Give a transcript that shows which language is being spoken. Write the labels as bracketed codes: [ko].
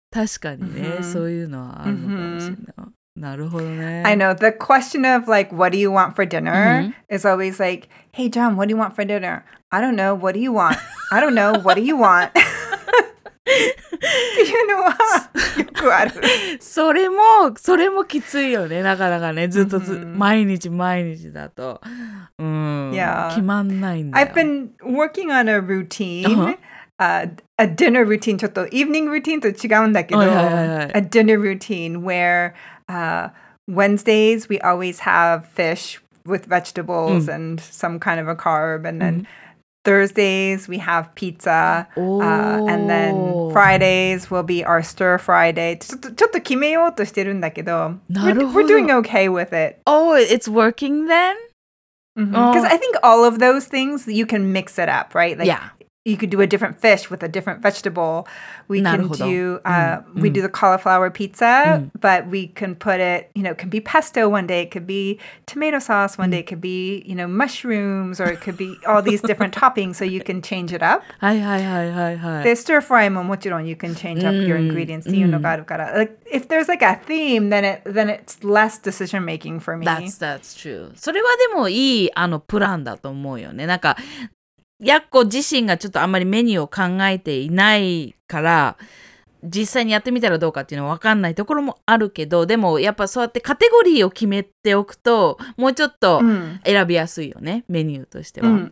[ja] 確かにね、そういうのはあるのかもしれない。なるほどね。 [en] I know. The question of like, what do you want for dinner? Is always like, hey John, what do you want for dinner? I don't know. What do you want? I don't know. What do you want? [ja] っていうのはよくある。それもきついよね、なかなかね、ずっと毎日だと、 [en] yeah. [ja] 決まんないんだよ。 [en] I've been working on a routine, a dinner routine, [ja] ちょっと [en] evening routine [ja] と違うんだけど、 [en] a dinner routine where Wednesdays we always have fish with vegetables and some kind of a carb, and then Thursdays, we have pizza, and then Fridays will be our stir fry day. [ja] ちょっと決めようとしてるんだけど、 [en] we're doing okay with it. Oh, it's working then? Because I think all of those things, you can mix it up, right? Like, yeah. You could do a different fish with a different vegetable. We can do, we do the cauliflower pizza, but we can put it, you know, it can be pesto one day, it could be tomato sauce one day, it could be, you know, mushrooms, or it could be all these different toppings, so you can change it up. [ja] はいはいはいはいはい。 [en] The stir fry [ja] ももちろん [en] you can change up your ingredients. [ja] っていうのがあるから。 [en] Like, if there's like a theme, then it's less decision making for me. That's true. [ja] それはでもいいプランだと思うよね。なんか、やっこ自身がちょっとあんまりメニューを考えていないから実際にやってみたらどうかっていうのは分かんないところもあるけど、でもやっぱそうやってカテゴリーを決めておくともうちょっと選びやすいよね、メニューとしては。